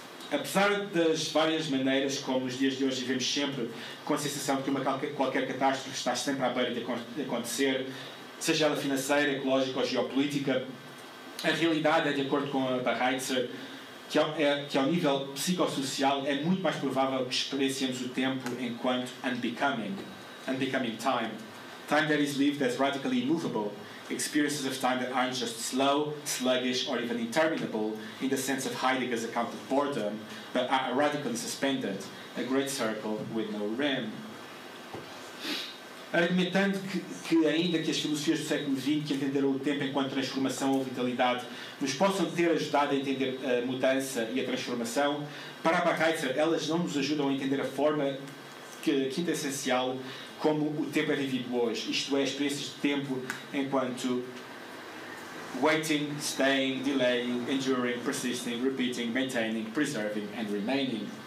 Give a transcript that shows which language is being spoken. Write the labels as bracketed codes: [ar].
[pt] Apesar das várias maneiras como nos dias de hoje vivemos sempre com a sensação de que qualquer catástrofe está sempre à beira de acontecer, seja ela financeira, ecológica ou geopolítica, a realidade é, de acordo com a Bereitzer, que ao nível psicossocial é muito mais provável que experienciemos o tempo enquanto [en] unbecoming time. Time that is lived as radically immovable. Experiences of time that aren't just slow, sluggish, or even interminable in the sense of Heidegger's account of boredom, but are radically suspended, a great circle with no rim. [pt] Argumentando que ainda que as filosofias do século XX, que entenderam o tempo enquanto transformação ou vitalidade, nos possam ter ajudado a entender a mudança e a transformação, para a Bereitzer, elas não nos ajudam a entender a forma quinta essencial como o tempo é vivido hoje, isto é, experiências de tempo enquanto [en] waiting, staying, delaying, enduring, persisting, repeating, maintaining, preserving and remaining.